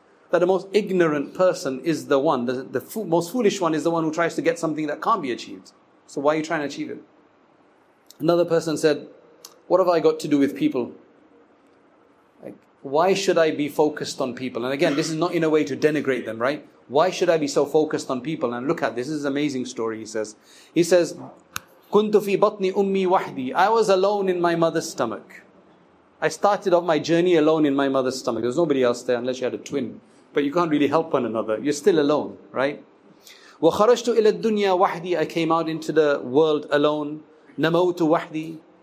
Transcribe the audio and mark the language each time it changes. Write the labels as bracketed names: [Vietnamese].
[English] That the most ignorant person is the one, the most foolish one is the one who tries to get something that can't be achieved. So why are you trying to achieve it? Another person said, what have I got to do with people? Why should I be focused on people? And again, this is not in a way to denigrate them, right? Why should I be so focused on people? And look at this. This is an amazing story, he says. He says, [Arabic] كُنْتُ فِي بَطْنِ أُمِّي وَحْدِي. [English] I was alone in my mother's stomach. I started off my journey alone in my mother's stomach. There was nobody else there unless you had a twin. But you can't really help one another. You're still alone, right? [Arabic] وَخَرَجْتُ إِلَى الدُّنْيَا وَحْدِي. [English] I came out into the world alone. [Arabic] نَمَوْتُ وَحْدِي.